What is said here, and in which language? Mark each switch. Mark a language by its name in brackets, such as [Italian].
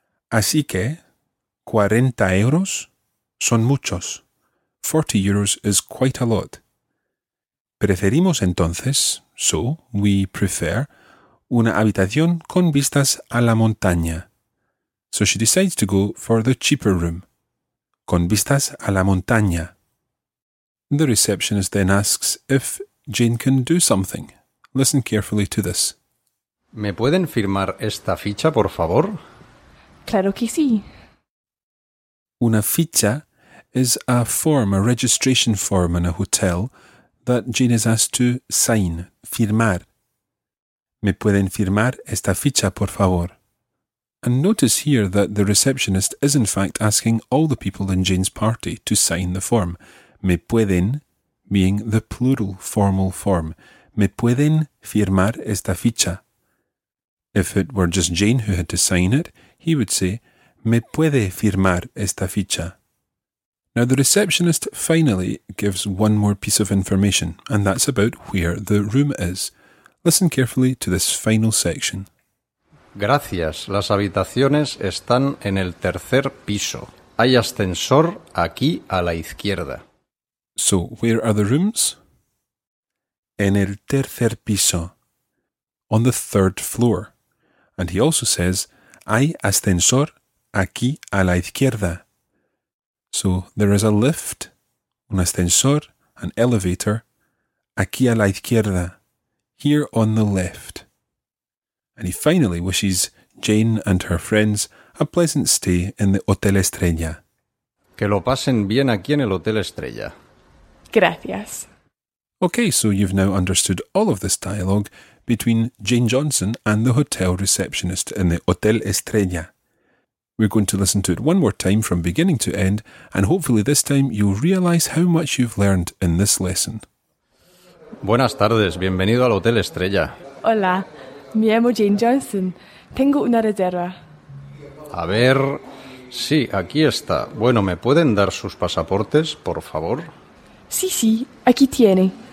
[Spanish] Así que, 40 euros son muchos. [English] 40 euros is quite a lot. [Spanish] Preferimos entonces, [English] so we prefer, [Spanish] una habitación con vistas a la montaña. [English] So she decides to go for the cheaper room. [Spanish] Con vistas a la montaña. [English] The receptionist then asks if Jane can do something. Listen carefully to this. [Spanish] ¿Me pueden firmar esta ficha, por favor? Claro que sí. Una ficha [English] is a form, a registration form in a hotel that Jane is asked to sign, [Spanish] firmar. ¿Me pueden firmar esta ficha, por favor? [English] And notice here that the receptionist is in fact asking all the people in Jane's party to sign the form. [Spanish] Me pueden, [English] being the plural formal form. [Spanish] Me pueden firmar esta ficha. [English] If it were just Jane who had to sign it, he would say, [Spanish] me puede firmar esta ficha. [English] Now the receptionist finally gives one more piece of information, and that's about where the room is. Listen carefully to this final section. [Spanish] Gracias, las habitaciones están en el tercer piso. Hay ascensor aquí a la izquierda. [English] So, where are the rooms? [Spanish] En el tercer piso. [English] On the third floor. And he also says, [Spanish] hay ascensor aquí a la izquierda. [English] So, there is a lift, [Spanish] un ascensor, [English] an elevator, [Spanish] aquí a la izquierda, [English] here on the left. And he finally wishes Jane and her friends a pleasant stay in the Hotel Estrella. [Spanish] Que lo pasen bien aquí en el Hotel Estrella. Gracias. [English] Okay, so you've now understood all of this dialogue between Jane Johnson and the hotel receptionist in the Hotel Estrella. We're going to listen to it one more time from beginning to end, and hopefully this time you'll realize how much you've learned in this lesson. [Spanish] Buenas tardes, bienvenido al Hotel Estrella. Hola. Me llamo Jane Johnson. Tengo una reserva. A ver... Sí, aquí está. Bueno, ¿me pueden dar sus pasaportes, por favor? Sí, sí. Aquí tiene.